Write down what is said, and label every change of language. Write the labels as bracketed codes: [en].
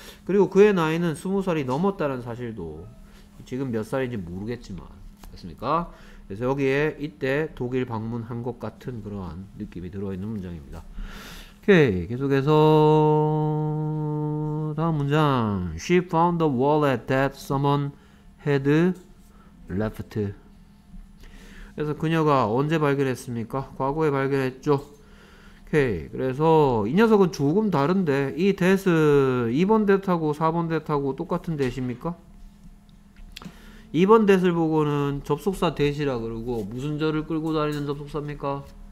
[ko] 그리고 그의 나이는 스무 살이 넘었다는 사실도. 지금 몇 살인지 모르겠지만, 맞습니까? 그래서 여기에 이때 독일 방문한 것 같은 그러한 느낌이 들어있는 문장입니다. 오케이, 계속해서 다음 문장. [en] She found the wallet that someone had left. [ko] 그래서 그녀가 언제 발견했습니까? 과거에 발견했죠. 오케이, 그래서 이 녀석은 조금 다른데 이 that은 2번 that하고 4번 that하고 똑같은 that입니까? 2번 that을 보고는 접속사 that이라 그러고 무슨 절을 끌고 다니는 접속사입니까?